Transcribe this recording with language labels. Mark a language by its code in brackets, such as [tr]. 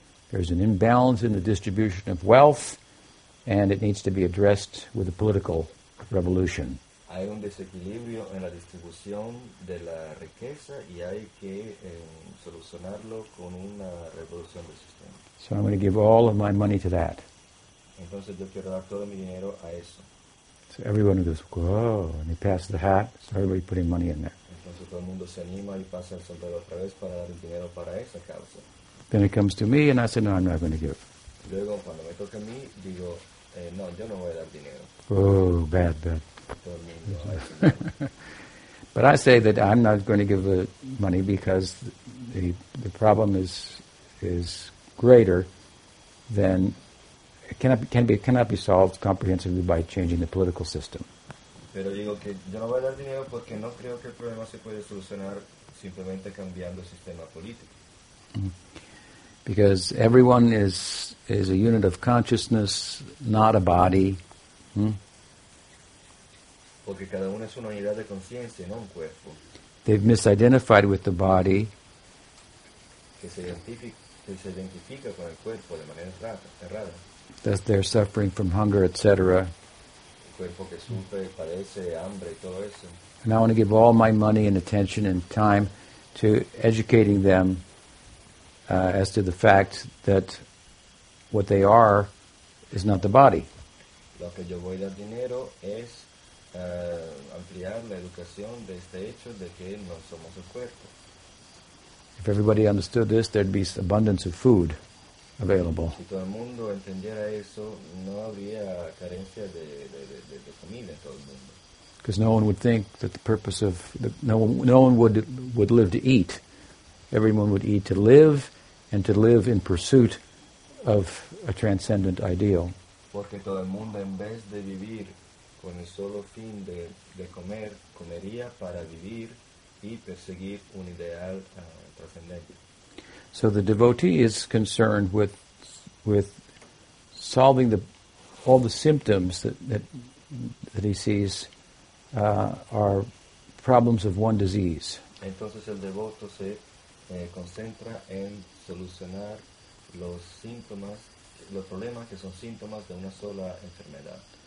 [en] There's an imbalance in the distribution of wealth, and it needs to be addressed with a political revolution. [es] Hay un desequilibrio en la distribución de la riqueza, y hay que solucionarlo con una revolución del sistema. [en] So I'm going to give all of my money to that. [es] Entonces yo quiero dar todo mi dinero a eso. [en] So everyone goes, oh, and he passes the hat, so everybody putting money in there. [es] Todo el mundo se anima y pasa el sombrero otra vez para dar el dinero para esa causa. [en] Then it comes to me and I say, no, I'm not going to give. [es] Luego, cuando me toca a mí, digo, no, yo no voy a dar dinero. [en] Oh, bad, bad. [es] Todo el mundo va a decir, [en] but I say that I'm not going to give the money because the problem is greater than it cannot be solved comprehensively by changing the political system. [es] Pero digo que yo no voy a dar dinero porque no creo que el problema se puede solucionar simplemente cambiando el sistema político. [en] Because everyone is a unit of consciousness, not a body. [es] Porque cada uno es una unidad de conciencia, no un cuerpo. [en] They've misidentified with the body. [es] Que se identifica con el cuerpo de manera errada. [en] That they're suffering from hunger, etc. And I want to give all my money and attention and time to educating them as to the fact that what they are is not the body. [es] Lo que yo voy a dar dinero es ampliar la educación de este hecho de que no somos el cuerpo. [en] If everybody understood this, there'd be abundance of food available. [es] Si todo el mundo entendiera eso, no habría carencia de comida en todo el mundo. [en] Because no one would think that the purpose of the, no one would live to eat. Everyone would eat to live, and to live in pursuit of a transcendent ideal. [es] Porque todo el mundo en vez de vivir con el solo fin de comer, comería para vivir y perseguir un ideal trascendente. [en] So the devotee is concerned with solving all the symptoms that he sees. Are problems of one disease. [es] Entonces el devoto se concentra en solucionar los síntomas, los problemas que son síntomas de una sola enfermedad.